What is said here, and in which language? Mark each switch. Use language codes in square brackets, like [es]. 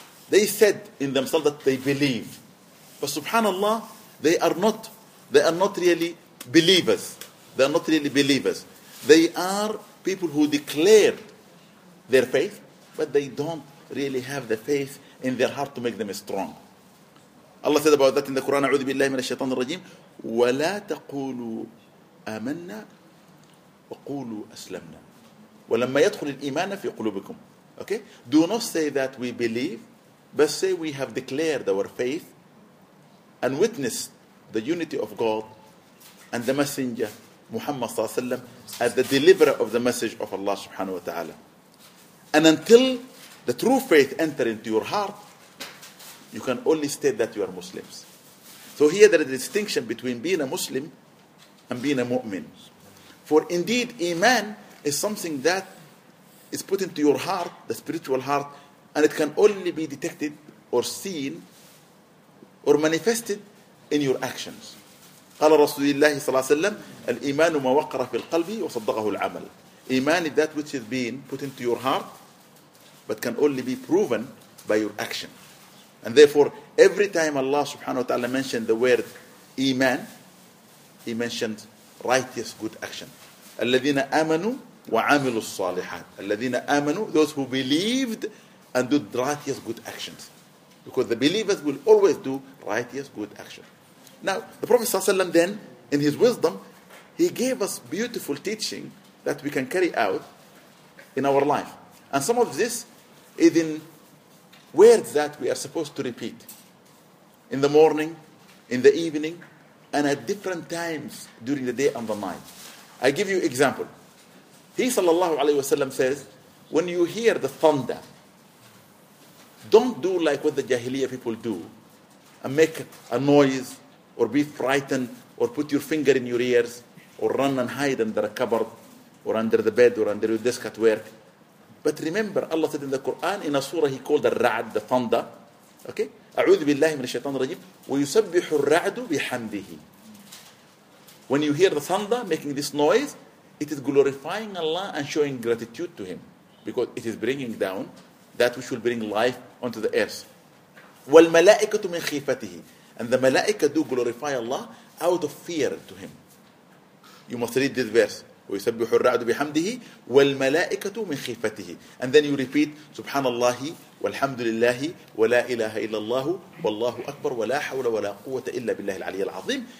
[en] They said in themselves that they believe. But subhanAllah, they are not really believers. They are not really believers. They are people who declared their faith, but they don't really have the faith in their heart to make them strong. Allah said about that in the Quran, [ar] أعوذ بالله من الشيطان الرجيم, ولا تقولوا آمنا وقولوا أسلمنا ولما يدخل الإيمان في قلوبكم. [en] Okay? Do not say that we believe, but say we have declared our faith and witnessed the unity of God and the messenger Muhammad sallallahu alayhi wa sallam as the deliverer of the message of Allah subhanahu wa ta'ala. And until the true faith enters into your heart, you can only state that you are Muslims. So here there is a distinction between being a Muslim and being a mu'min. For indeed, Iman is something that is put into your heart, the spiritual heart, and it can only be detected or seen or manifested in your actions. [ar] قال رسول الله صلى الله عليه وسلم الإيمان ما وقر في القلب وصدقه العمل. [en] Iman is that which has been put into your heart but can only be proven by your action. And therefore, every time Allah subhanahu wa ta'ala mentioned the word Iman, he mentioned righteous good action. [ar] الذين آمنوا وعملوا الصالحات. الذين آمنوا, [en] those who believed and did righteous good actions. Because the believers will always do righteous good actions. Now, the Prophet ﷺ then, in his wisdom, he gave us beautiful teaching that we can carry out in our life. And some of this is in words that we are supposed to repeat in the morning, in the evening, and at different times during the day and the night. I give you an example. He ﷺ says, when you hear the thunder, don't do like what the Jahiliyyah people do and make a noise, or be frightened, or put your finger in your ears, or run and hide under a cupboard, or under the bed, or under your desk at work. But remember, Allah said in the Quran, in a surah he called al-ra'd, the thunder. Okay? [ar] أعوذ بالله من الشيطان الرجيم ويسبح الرعد بحمده. [en] When you hear the thunder making this noise, it is glorifying Allah and showing gratitude to him, because it is bringing down that which will bring life onto the earth. [ar] والملائكة من خيفته. [en] And the malaika do glorify Allah out of fear to him. You must read this verse. [ar] ويسبح الرعد بحمده والملائكة من خيفته. [en] And then you repeat [ar] سبحان الله والحمد لله ولا إله إلا الله والله أكبر ولا حول ولا قوة إلا بالله العلي العظيم.